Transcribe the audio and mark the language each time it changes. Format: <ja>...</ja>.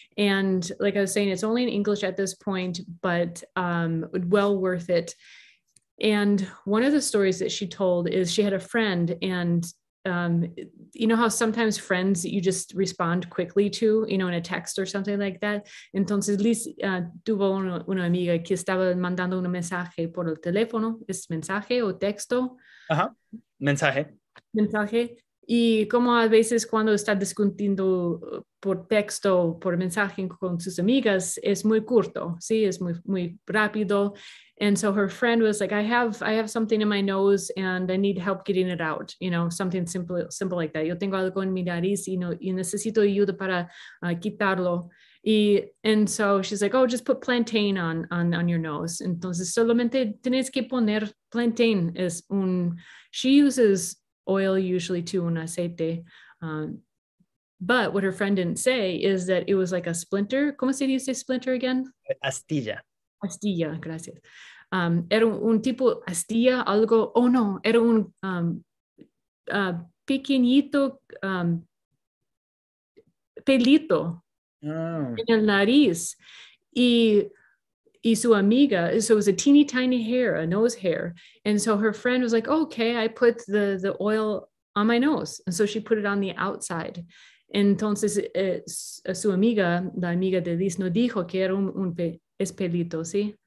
<en>And like I was saying, it's only in English at this point, but well worth it. And one of the stories that she told is she had a friend, and you know how sometimes friends you just respond quickly to, you know, in a text or something like that.</en> <es>Entonces Lise tuvo una amiga que estaba mandando un mensaje por el teléfono. ¿Es mensaje o texto? Ajá, mensaje. Mensaje. Y como a veces cuando está discutiendo por texto, por mensaje con sus amigas, es muy corto, sí, es muy, muy rápido.</es> <en>And so her friend was like, I have something in my nose and I need help getting it out. You know, something simple like that.</en> <es>Yo tengo algo en mi nariz y, no, y necesito ayuda para quitarlo.</es> <en>Y, and so she's like, oh, just put plantain on your nose.</en> <es>Entonces solamente tienes que poner plantain. Es un,</es> <en>she uses oil usually too,</en> <es>un aceite.</es> <en>But what her friend didn't say is that it was like a splinter.</en> <es>¿Cómo se dice</es> <en>splinter again?</en> <es>Astilla. Astilla, gracias. Era un tipo astilla, algo, oh no, era un pequeñito pelito en el nariz. Y su amiga,</es> <en>so it was a teeny tiny hair, a nose hair. And so her friend was like, okay, I put the oil on my nose. And so she put it on the outside.</en> <es>Entonces su amiga, la amiga de Liz, no dijo que era es pelito, ¿sí?</es>